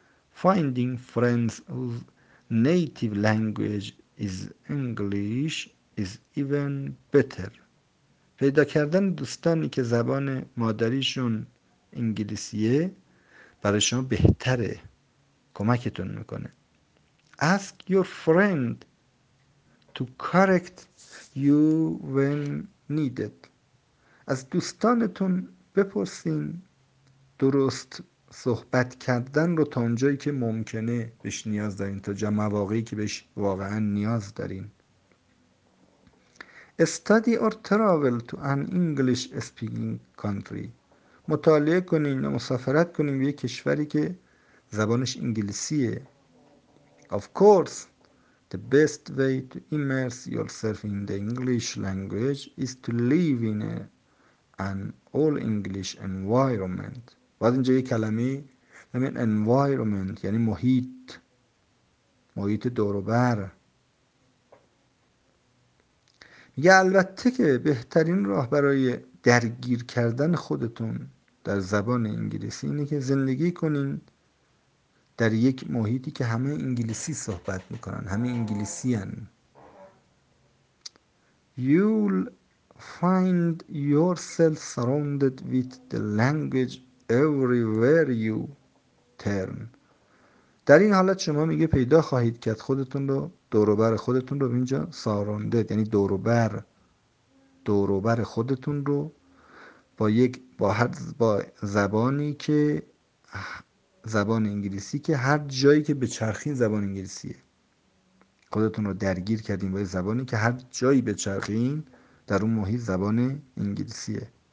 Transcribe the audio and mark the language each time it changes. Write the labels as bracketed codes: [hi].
[en] Finding friends whose native language is English is even better. [fa] پیدا کردن دوستانی که زبان مادریشون انگلیسیه برای شما بهتره، کمکتون میکنه. [en] Ask your friend to correct you when needed. [fa] از دوستانتون بپرسین درست صحبت کردن رو تا اونجایی که ممکنه بهش نیاز دارین، تا جمع مواقعی که بهش واقعا نیاز دارین. [en] Study or travel to an English speaking country. [fa] مطالعه کنین یا مسافرت کنین به یک کشوری که زبانش انگلیسیه. [en] Of course, the best way to immerse yourself in the English language is to live in an all English environment. [fa] بعد اینجا یک کلمه همین environment یعنی محیط، محیط دوروبر. یه البته که بهترین راه برای درگیر کردن خودتون در زبان انگلیسی اینه که زندگی کنین در یک محیطی که همه انگلیسی صحبت میکنن، همه انگلیسی هن. [en] You'll find yourself surrounded with the language everywhere you turn. [fa] در این حالت شما میگه پیدا خواهید کرد خودتون رو، دوروبر خودتون رو، اینجا surrounded یعنی دوروبر، دوروبر خودتون رو با یک، با هر، با زبانی که زبان انگلیسی، که هر جایی که به چرخین زبان انگلیسیه، خودتون رو درگیر کردین با یک زبانی که هر جایی به چرخین در اون محیط زبان انگلیسیه.